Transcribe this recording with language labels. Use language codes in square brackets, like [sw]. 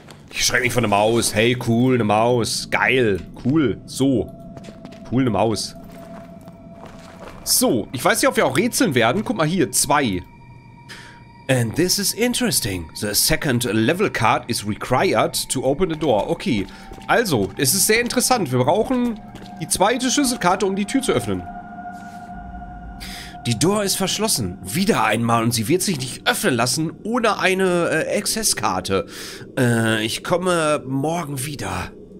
[de] Ich schreck mich von der Maus. Hey, cool, eine Maus. Geil, cool. So. Cool, eine Maus. So, ich weiß nicht, ob wir auch rätseln werden. Guck mal hier, 2. [en] And this is interesting. The second level card is required to open the door. [de] Okay, also, es ist sehr interessant. Wir brauchen die 2. Schlüsselkarte, um die Tür zu öffnen. Die Door ist verschlossen. Wieder einmal und sie wird sich nicht öffnen lassen ohne eine Access-Karte. Ich komme morgen wieder.